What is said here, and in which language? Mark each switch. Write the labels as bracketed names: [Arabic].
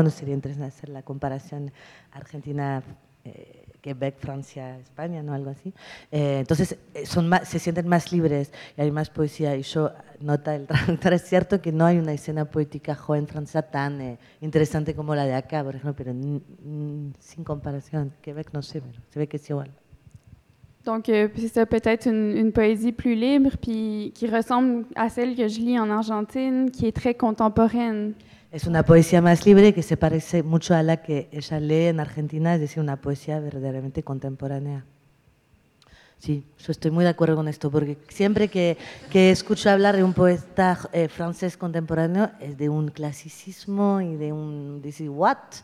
[Spanish] Bueno, sería interesante hacer la comparación Argentina Quebec, Francia, España, ¿no? Algo así. Entonces, se sienten más libres y hay más poesía. Y yo noto, el traductor, es cierto que no hay una escena poética joven francesa tan interesante como la de acá, por ejemplo, pero sin comparación. Quebec no sé, pero se ve que es igual. [French] Donc, c'est peut-être une poésie plus libre, puis qui ressemble à celle que je lis en Argentine, qui est très contemporaine. [Spanish] Es una poesía más libre que se parece mucho a la que ella lee en Argentina, es decir, una poesía verdaderamente contemporánea. Sí, yo estoy muy de acuerdo con esto, porque siempre que escucho hablar de un poeta francés contemporáneo es de un clasicismo y de un... Dice, ¿what?